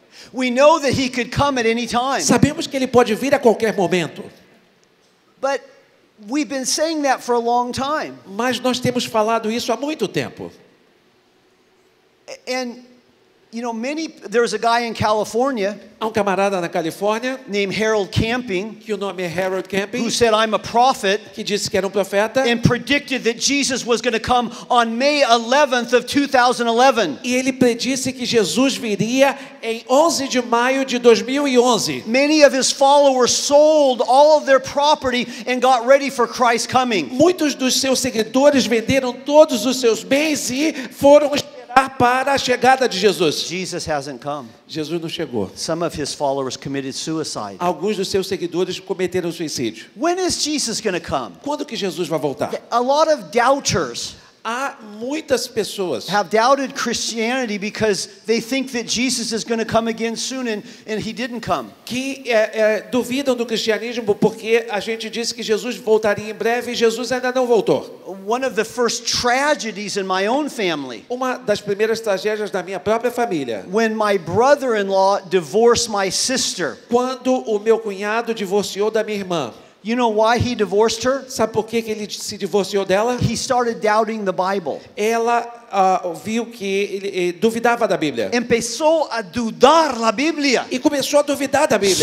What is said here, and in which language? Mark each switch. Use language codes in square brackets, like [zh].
[en] We know that he could come at any time. [pt] Sabemos que ele pode vir a qualquer momento. [en] But we've been saying that for a long time. [pt] Mas nós temos falado isso há muito tempo. [en] And You know, many there's a guy in California, [pt] um camarada na Califórnia, [en] named Harold Camping, [pt] que o nome é Harold Camping, [en] who said I'm a prophet, [pt] que disse que era profeta, [en] and predicted that Jesus was going to come on May 11th of 2011. [pt] E ele predisse que Jesus viria em 11 de maio de 2011. [en] Many of his followers sold all of their property and got ready for Christ coming. [pt] Muitos dos seus seguidores venderam todos os seus bens e foram para a chegada de Jesus. [en] Jesus hasn't come. [pt] Jesus não chegou. [en] Some of his followers committed suicide. [pt] Alguns dos seus seguidores cometeram suicídio. [en] When is Jesus going to come? [pt] Quando que Jesus vai voltar? [en] A lot of doubters. [pt] Há muitas pessoas [en] have doubted Christianity because they think that Jesus is going to come again soon and he didn't come. [pt] Que duvidam do cristianismo porque a gente disse que Jesus voltaria em breve e Jesus ainda não voltou. [en] One of the first tragedies in my own family. [pt] Uma das primeiras tragédias da minha própria família. [en] When my brother-in-law divorced my sister. [pt] Quando o meu cunhado divorciou da minha irmã. [en] You know why he divorced her? [pt] Sabe por que ele se divorciou dela? [en] He started doubting the Bible. [pt] Ela viu que ele duvidava da Bíblia. [es] Empezou a dudar la Biblia. [pt] E começou a duvidar da Bíblia.